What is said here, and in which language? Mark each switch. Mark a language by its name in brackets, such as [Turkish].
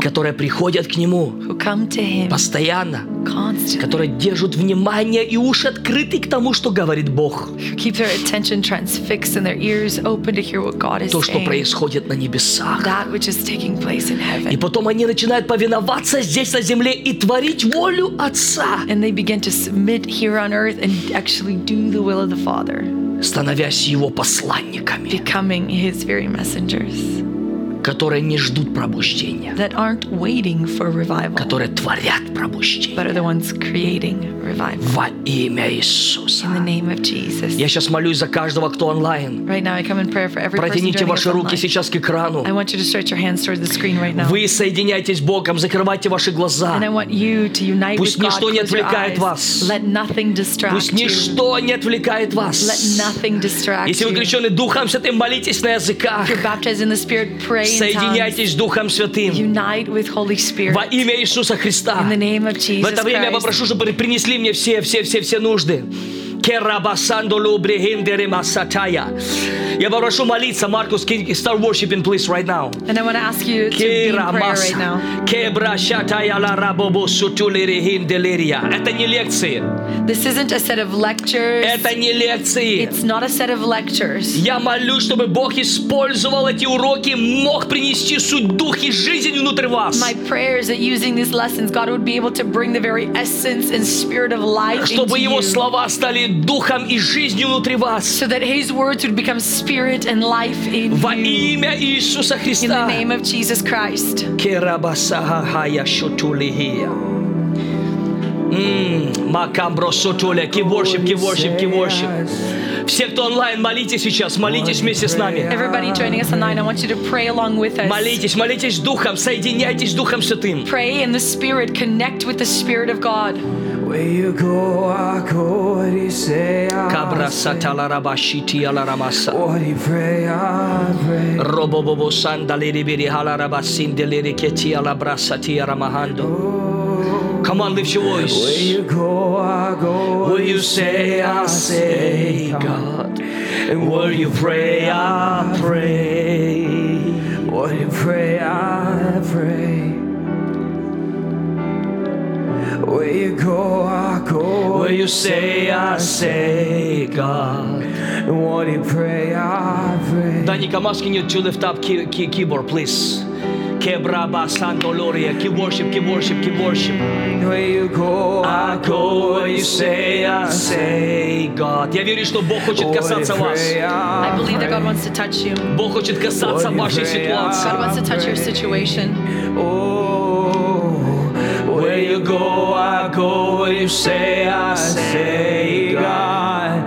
[Russian] которые приходят к Нему, [English] who come to Him, [Russian] постоянно, [English] constantly, [Russian] которые держат внимание и уши открыты к тому, что говорит Бог. [English] Keep their attention transfixed and their ears open to hear what God is saying. [Russian] Что происходит на небесах. [English] That which is taking place in heaven. [Russian] И потом они начинают повиноваться здесь на земле и творить волю Отца. [English] And they begin to submit here on earth and actually do the will of the Father. [Russian] Становясь Его посланниками. [English] Becoming His very messengers. [Russian] Которые не ждут пробуждения. [English] That aren't waiting for revival. [Russian] Которые творят пробуждение. [English] But are the ones creating revival. [Russian] Во имя Иисуса. [English] In the name of Jesus. [Russian] Я сейчас молюсь за каждого, кто онлайн. [English] Right now I come in prayer for every person joining us online. [Russian] Протяните ваши руки сейчас к экрану. [English] I want you to stretch your hands towards the screen right now. [Russian] Вы соединяйтесь с Богом, закрывайте ваши глаза. [English] And I want you to unite [Russian] Пусть ничто не отвлекает вас. [English] Let nothing distract you. [Russian] Пусть ничто не отвлекает вас. [English] Let nothing distract you. [Russian] Если вы крещены Духом Святым, молитесь на языках. [English] If you're baptized in the Spirit, pray. [Russian] Соединяйтесь с Духом Святым. [English] Unite with Holy Spirit. [Russian] Во имя Иисуса Христа. [English] In the name of Jesus [Russian] В это время я попрошу, чтобы принесли мне все нужды. Я попрошу молиться, Маркус, [English] start worshiping, please, right now. And I want to ask you to be in prayer right now. [Russian] Это не лекции. [English] This isn't a set of lectures. [Russian] Это не лекции. [English] It's not a set of lectures. [Russian] Я молюсь, чтобы Бог использовал эти уроки, мог принести суть, дух и жизнь внутрь вас. [English] My prayer is that using these lessons, God would be able to bring the very essence and spirit of life into you. [Russian] Чтобы Его слова стали духом и жизнью внутри вас. [English] So that His words would become spirit and life in you. [Russian] Во имя Иисуса Христа. [English] In the name of Jesus Christ. Керабасахая шутулия. Макамбро сутуля. Keep worship. [Russian] Все, кто онлайн, молитесь сейчас, молитесь вместе с нами. [English] Everybody joining us online, I want you to pray along with us. [Russian] Молитесь, молитесь Духом, соединяйтесь с Духом Святым. [English] Pray in the Spirit, connect with the Spirit of God. Where you go, I go. What he say, I Cabra say. What he pray, I pray. Robo bobo sandaliri biri halarabasin deliri keti ala brasati aramahando. Come on, lift your voice. Where you go, I go. Where you say, I say, God. And where you pray, I pray. What you pray, I pray. Where you go, I go. Where you say, I say, God. And what you pray, I pray. Danica, I'm asking you to lift up keyboard, please. Kebraba Santo Loria, keep worship, keep worship, keep worship. Where you go, I go, where you say, I say, God. [Russian] Я верю, что Бог хочет касаться вас. [English] I believe that God wants to touch you. [Russian] Бог хочет касаться вашей ситуации. [English] God wants to touch your situation. Oh, where you go, I go, where you say, I say, God.